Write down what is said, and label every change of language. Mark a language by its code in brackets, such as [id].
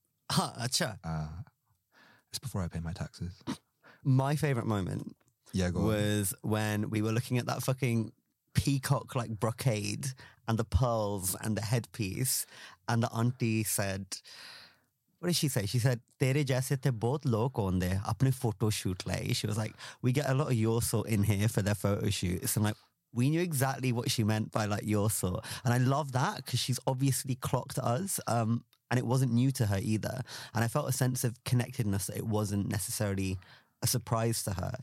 [en] Ah, huh, sure. It's before I pay my taxes. My favourite moment was when we were looking at that fucking peacock like brocade and the pearls and the headpiece, and the auntie said, what did she say? [pa] ਉਸ ਨੇ ਕਿਹਾ, "ਤੇਰੇ ਜੈਸੇ ਤੇ ਬਹੁਤ ਲੋਕ ਔਂਦੇ ਆਪਣੇ photo shoot ਲੇ।" [en] She was like, "We get a lot of your sort in here for their photo shoots." And like, we knew exactly what she meant by like your sort. And I love that because she's obviously clocked us. And it wasn't new to her either. And I felt a sense of connectedness that it wasn't necessarily a surprise to her.